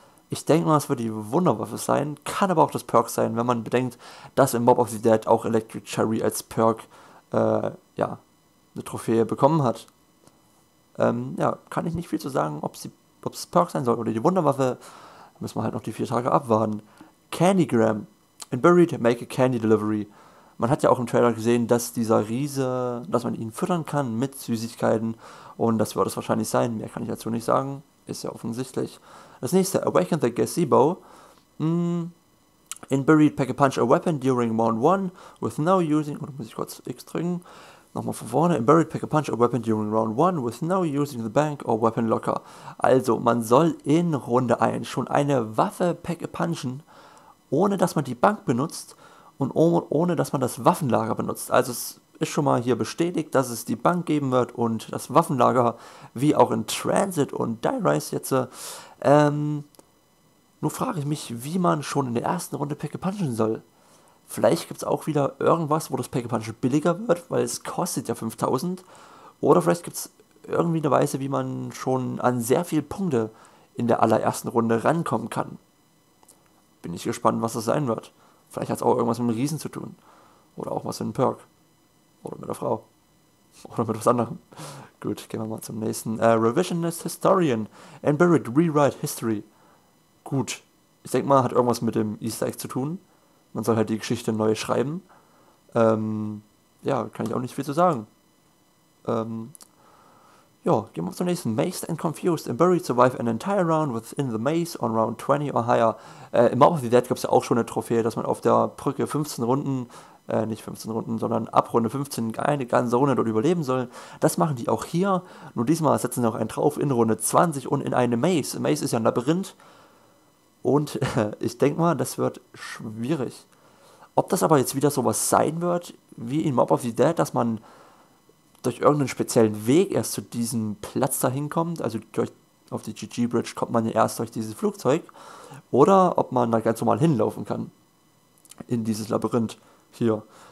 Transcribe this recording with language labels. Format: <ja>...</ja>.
<de>Ich denke mal, es wird die Wunderwaffe sein. Kann aber auch das Perk sein, wenn man bedenkt, dass im Mob of the Dead auch Electric Cherry als Perk ja, eine Trophäe bekommen hat. Ja, kann ich nicht viel zu sagen, ob es Perk sein soll oder die Wunderwaffe. Müssen wir halt noch die 4 Tage abwarten.</de> <en>Candygram. In Buried, make a candy delivery.</en> <de>Man hat ja auch im Trailer gesehen, dass dieser Riese, dass man ihn füttern kann mit Süßigkeiten. Und das wird es wahrscheinlich sein. Mehr kann ich dazu nicht sagen. Ist ja offensichtlich. Das nächste, Awaken the Gazebo.</de> <en>In Buried, pack a punch a weapon during round one with no using.</en> <de>Oder muss ich kurz X drücken? Nochmal von vorne.</de> <en>In Buried, pack a punch a weapon during round one with no using the bank or weapon locker.</en> <de>Also, man soll in Runde 1 schon eine Waffe pack a punchen. ohne dass man die Bank benutzt und ohne dass man das Waffenlager benutzt. Also es ist schon mal hier bestätigt, dass es die Bank geben wird und das Waffenlager, wie auch in Transit und Dice jetzt. Nur frage ich mich, wie man schon in der ersten Runde Pick-a-Punchen soll. Vielleicht gibt es auch wieder irgendwas, wo das Pick-a-Punchen billiger wird, weil es kostet ja 5000. Oder vielleicht gibt es irgendwie eine Weise, wie man schon an sehr viele Punkte in der allerersten Runde rankommen kann. Bin ich gespannt, was das sein wird. Vielleicht hat es auch irgendwas mit einem Riesen zu tun. Oder auch was mit einem Perk. Oder mit einer Frau. Oder mit was anderem. Gut, gehen wir mal zum nächsten.</de> <en>Revisionist Historian and Buried Rewrite History.</en> <de>Gut, ich denke mal, hat irgendwas mit dem Easter Egg zu tun. Man soll halt die Geschichte neu schreiben. Ja, kann ich auch nicht viel zu sagen. Ja, gehen wir zum nächsten.</de> <en>Mazed and Confused and Buried survive an entire round within the maze on round 20 or higher.</en> <de>Im Mob of the Dead gab es ja auch schon eine Trophäe, dass man auf der Brücke 15 Runden, nicht 15 Runden, sondern ab Runde 15 eine ganze Runde dort überleben soll. Das machen die auch hier. Nur diesmal setzen sie noch einen drauf in Runde 20 und in eine Maze. Maze ist ja ein Labyrinth. Und ich denke mal, das wird schwierig. Ob das aber jetzt wieder sowas sein wird, wie in Mob of the Dead, dass man durch irgendeinen speziellen Weg erst zu diesem Platz da hinkommt, also auf die GG Bridge kommt man ja erst durch dieses Flugzeug, oder ob man da ganz normal hinlaufen kann in dieses Labyrinth hier.</de>